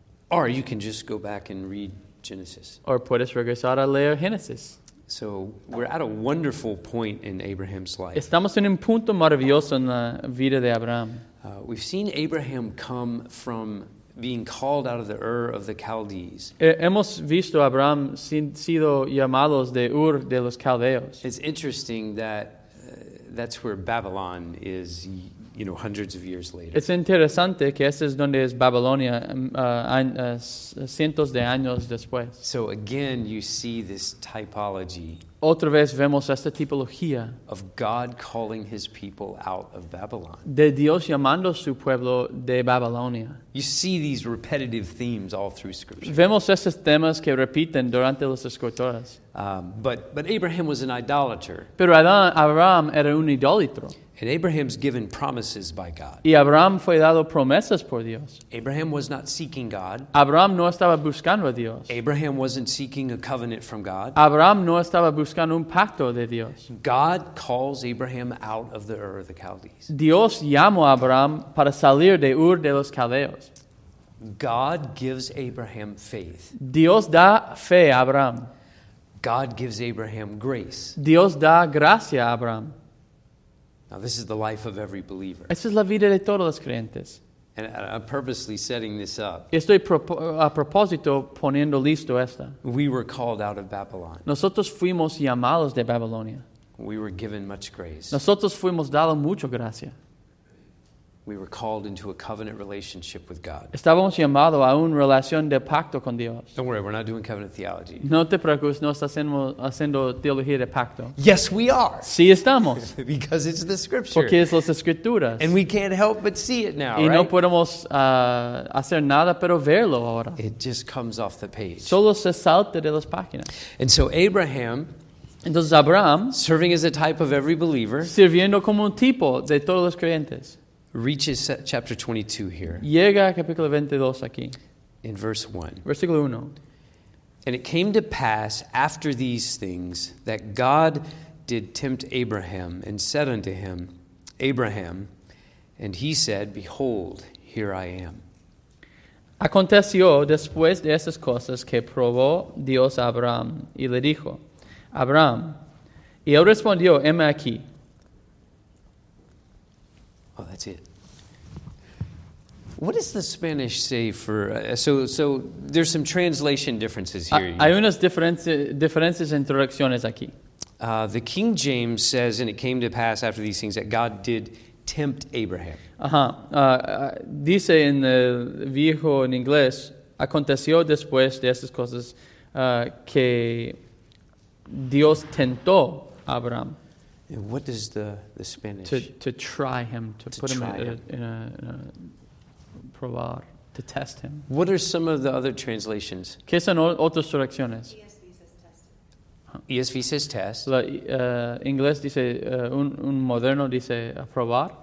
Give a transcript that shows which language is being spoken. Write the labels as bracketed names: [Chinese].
[English] Or you can just go back and read Genesis. [Spanish] Or puedes regresar a leer Génesis. [English] So we're at a wonderful point in Abraham's life. [Spanish] Estamos en un punto maravilloso en la vida de Abraham. [English] We've seen Abraham come from being called out of the Ur of the Chaldees. [Spanish] Hemos visto a Abraham sido llamados de Ur de los Caldeos. [English] It's interesting that that's where Babylon is, you know, hundreds of years later. [Spanish] Es interesante que ese es donde es Babilonia cientos de años después. [English] So again, you see this typology. [Spanish] Otra vez vemos esta tipología [English] of God calling his people out of Babylon. [Spanish] De Dios llamando su pueblo de Babilonia. [English] You see these repetitive themes all through Scripture. [Spanish] Vemos estos temas que repiten durante las Escrituras. [English] But Abraham was an idolater. [Spanish] Pero Abraham era un idólatro. [English] And Abraham's given promises by God. [Spanish] Y Abraham fue dado promesas por Dios. [English] Abraham was not seeking God. [Spanish] Abraham no estaba buscando a Dios. [English] Abraham wasn't seeking a covenant from God. [Spanish] Abraham no estaba buscando un pacto de Dios. [English] God calls Abraham out of the Ur of the Chaldees. [Spanish] Dios llamó a Abraham para salir de Ur de los Caldeos. [English] God gives Abraham faith. [Spanish] Dios da fe a Abraham. [English] God gives Abraham grace. [Spanish] Dios da gracia a Abraham. [English] Now this is the life of every believer. [Spanish] Esta es la vida de todos los creyentes. [English] And I'm purposely setting this up. [Spanish] Estoy a propósito poniendo listo esta. [English] We were called out of Babylon. [Spanish] Nosotros fuimos llamados de Babilonia. [English] We were given much grace. [Spanish] Nosotros fuimos dado mucho gracia. [English] We were called into a covenant relationship with God. [Spanish] Estábamos llamados a una relación de pacto con Dios. [English] Don't worry, we're not doing covenant theology. [Spanish] No te preocupes, no estamos haciendo teología de pacto. [English] Yes, we are. [Spanish] Sí, estamos. [English] Because it's the scripture. [Spanish] Porque es las escrituras. [English] And we can't help but see it now, [Spanish] y [English] right? [Spanish] Y no podemos hacer nada pero verlo ahora. [English] It just comes off the page. [Spanish] Solo se salta de las páginas. [English] And so Abraham. [Spanish] Entonces Abraham. [English] Serving as a type of every believer. [Spanish] Sirviendo como un tipo de todos los creyentes. [English] Reaches chapter 22 here. [Spanish] Llega a capítulo 22 aquí. [English] In verse 1. [Spanish] Versículo 1. [English] And it came to pass after these things that God did tempt Abraham and said unto him, Abraham, and he said, Behold, here I am. [Spanish] Aconteció después de estas cosas que probó Dios a Abraham y le dijo, Abraham, y él respondió, heme aquí. [English] Oh, that's it. What does the Spanish say for... So there's some translation differences here. [Spanish] Hay unas diferencias en traducciones aquí. [English] The King James says, and it came to pass after these things, that God did tempt Abraham. Ajá. [Spanish] Dice en el viejo en inglés, aconteció después de estas cosas que Dios tentó a Abraham. [English] And what does the Spanish... To try him, to put try him in a probar, to test him. What are some of the other translations? [Spanish] ¿Qué son otras traducciones? [English] ESV says test. [Spanish] La, inglés dice, un moderno dice probar.